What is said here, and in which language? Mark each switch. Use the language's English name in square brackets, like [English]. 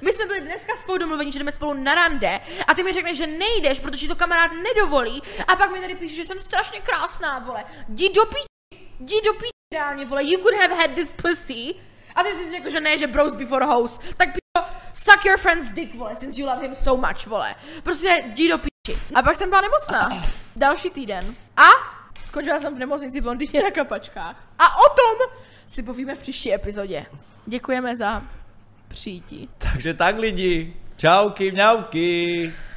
[Czech] My jsme byli dneska spolu domluveni, že jdeme spolu na rande a ty mi řekneš, že nejdeš, protože to kamarád nedovolí a pak mi tady píše, že jsem strašně krásná, vole. Jdi do píči, reálně, vole, [English] you could have had this pussy. [Czech] A ty jsi řekl, že ne, že [English] bros before hoes. Tak suck your friend's dick, vole, since you love him so much, vole. [Czech] Prostě jdi do píči. A pak jsem byla nemocná. Další týden. A skončila jsem v nemocnici v Londýně na kapačkách. A o tom si povíme v příští epizodě. Děkujeme za přijetí. Takže tak, lidi. Čauky, mňauky.